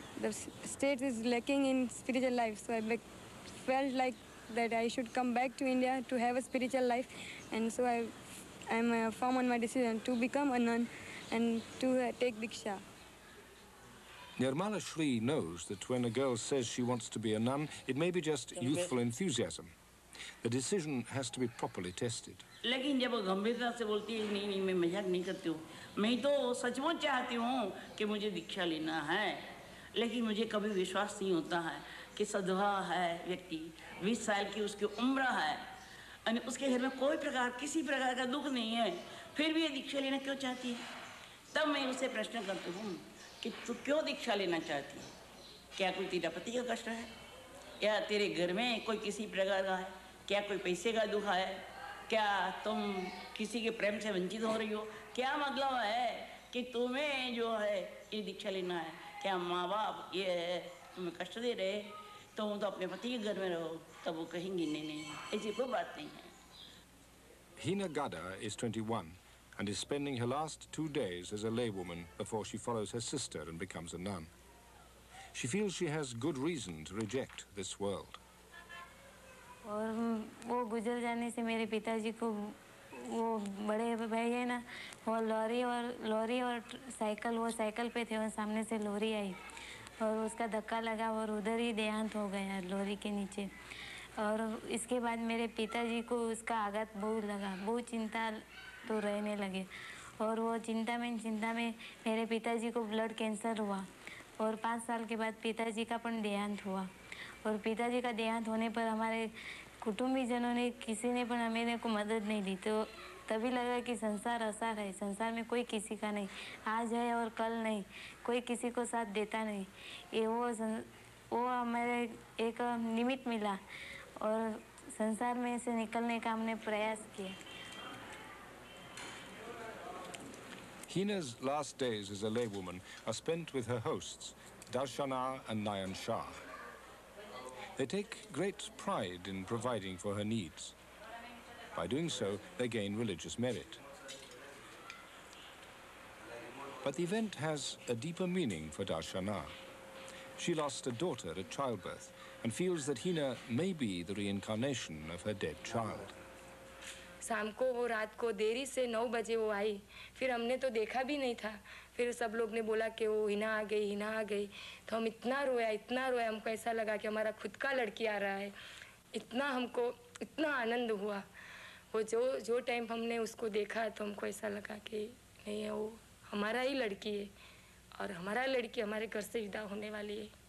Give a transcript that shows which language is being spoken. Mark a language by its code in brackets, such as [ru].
[en] The state is lacking in spiritual life, so I felt like that I should come back to India to have a spiritual life, and so I'm firm on my decision to become a nun and to take diksha. Nirmala Shri knows that when a girl says she wants to be a nun, it may be just youthful enthusiasm. The decision has to be properly tested. [hi] लेकिन जब गंभीरता से बोलती है नहीं नहीं मैं मजाक नहीं करती हूँ, मैं तो सचमुच चाहती हूँ कि मुझे दीक्षा लेना है, लेकिन मुझे कभी विश्वास नहीं होता है कि सदभा है व्यक्ति 20 साल की उसकी उम्र है यानी उसके घर में कोई प्रकार किसी प्रकार का दुख नहीं है फिर भी ये दीक्षा लेना क्यों चाहती है। तब मैं उसे प्रश्न करती हूँ कि तू क्यों दीक्षा लेना चाहती है, क्या कोई तेरा पति का कष्ट है या तेरे घर में कोई किसी प्रकार का है, क्या कोई पैसे का दुख है, क्या तुम किसी के प्रेम से वंचित हो रही हो, क्या मतलब है कि तुम्हें जो है ये दीक्षा लेना है, क्या माँ बाप ये है तुम्हें कष्ट दे रहे, तुम तो अपने पति के घर में रहो। तब वो कहेंगे नहीं नहीं ऐसी कोई बात नहीं है। [en] Hina Gada is 21 and is spending her last 2 days as a laywoman before she follows her sister and becomes a nun. She feels she has good reason to reject this world. [hi] और वो गुजर जाने से मेरे पिताजी को वो बड़े भाई है ना वो लॉरी और साइकिल वो साइकिल पे थे और सामने से लॉरी आई और उसका धक्का लगा और उधर ही देहांत हो गया लॉरी के नीचे। और इसके बाद मेरे पिताजी को उसका आघात बहुत लगा, बहुत चिंता तो रहने लगे और वो चिंता में मेरे पिताजी को ब्लड कैंसर हुआ और 5 साल के बाद पिताजी का पण देहांत हुआ। और पिताजी का देहांत होने पर हमारे कुटुंबीजनों ने किसी ने पण हमें को मदद नहीं दी, तो तभी लगा कि संसार असार है, संसार में कोई किसी का नहीं, आज है और कल नहीं, कोई किसी को साथ देता नहीं। ये वो हमारे एक निमित्त मिला और संसार में से निकलने का हमने प्रयास किया। [en] Hina's last days as a laywoman are spent with her hosts, Darshana and Nayan Shah. They take great pride in providing for her needs. By doing so, they gain religious merit. But the event has a deeper meaning for Darshana. She lost a daughter at childbirth and feels that Hina may be the reincarnation of her dead child. [hi] शाम को वो रात को देरी से 9 बजे वो आई, फिर हमने तो देखा भी नहीं था, फिर सब लोग ने बोला कि वो हिना आ गई, तो हम इतना रोया, हमको ऐसा लगा कि हमारा खुद का लड़की आ रहा है, इतना आनंद हुआ। वो जो टाइम हमने उसको देखा तो हमको ऐसा लगा कि नहीं है, वो हमारा ही लड़की है और हमारा लड़की हमारे घर से विदा होने वाली है।